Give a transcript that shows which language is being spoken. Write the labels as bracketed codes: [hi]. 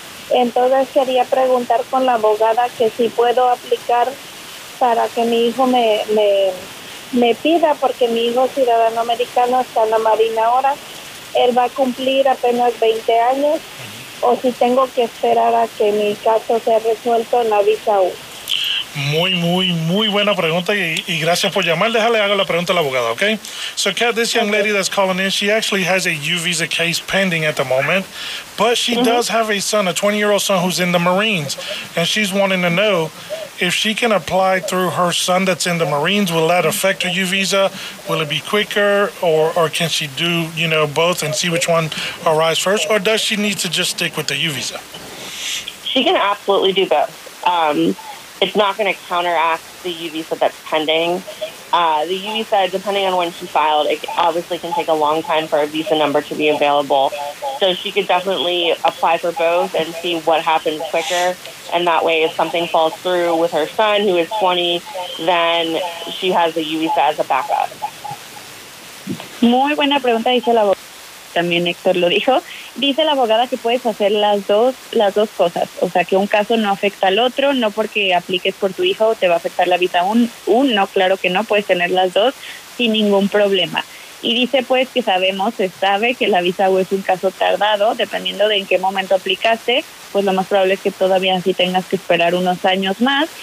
[es] entonces quería preguntar con la abogada que si puedo aplicar para que mi hijo me pida, porque mi hijo ciudadano americano está en la Marina ahora, él va a cumplir apenas 20 años, o si tengo que esperar a que mi caso sea resuelto en la visa U. Muy, muy, muy buena pregunta, y gracias por llamar. Déjale, hago la pregunta a la abogada, okay? [en] So, Kat, this young lady that's calling in, she actually has a U visa case pending at the moment, but she does have a son, a 20-year-old son who's in the Marines, and she's wanting to know if she can apply through her son that's in the Marines, will that affect her U visa? Will it be quicker, or can she do, you know, both and see which one arrives first? Or does she need to just stick with the U visa? She can absolutely do both. It's not going to counteract the U visa that's pending. The U visa, depending on when she filed, it obviously can take a long time for a visa number to be available. So she could definitely apply for both and see what happens quicker. And that way, if something falls through with her son, who is 20, then she has the U visa as a backup. [es] Muy buena pregunta, dice la abogada. También Héctor lo dijo. Dice la abogada que puedes hacer las dos cosas. O sea, que un caso no afecta al otro, no porque apliques por tu hijo te va a afectar la visa uno, claro que no, puedes tener las dos sin ningún problema. Y dice pues que se sabe que la visa U es un caso tardado, dependiendo de en qué momento aplicaste, pues lo más probable es que todavía sí tengas que esperar unos años más.